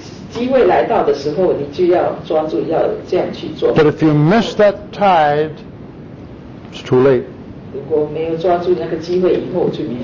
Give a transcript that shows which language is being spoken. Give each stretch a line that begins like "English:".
Chinese: 机会来到的时候，你就要抓住，要这样去做。
English: But if you miss that tide, it's too late.
Chinese: 如果没有抓住那个机会，以后就没有。